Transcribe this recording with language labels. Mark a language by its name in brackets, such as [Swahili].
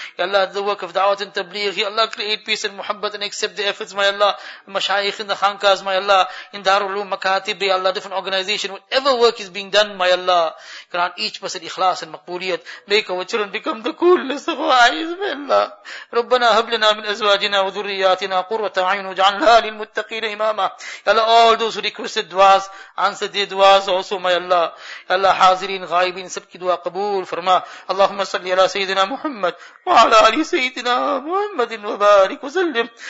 [English] Ya Allah, the work of da'wat and tabligh, Ya Allah, create peace and muhabbat and accept the efforts, my Allah. Mashayikh in the khankas, my Allah. In Darul Uloom, Makatib, Ya Allah, different organization, whatever work is being done, my Allah. Grant each person ikhlas and maqbooliyat. Make our children become the coolness of our eyes, my Allah. [Arabic] Rabbana hablana min azwajina wa ذرياتنا قرة عين وجعلها للمتقين إماما. [English] يا الله, all those who requested duas, answer their duas also, my Allah. [Arabic] يا الله, [Urdu] حاضرين غائبين سب كدوا قبول فرما. [Arabic] اللهم صل على سيدنا محمد وعلى آل سيدنا محمد وبارك وسلم.